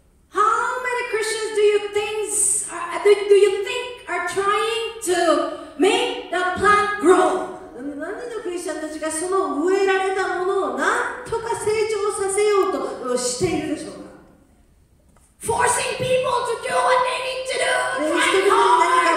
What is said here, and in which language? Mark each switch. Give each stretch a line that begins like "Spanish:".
English: How many Christians do you think are trying to make the plant grow?
Japanese: 何人のクリスチャンたちがその植えられたものを何とか成長させようとしているでしょうか。
English: Forcing people to do what they need to do,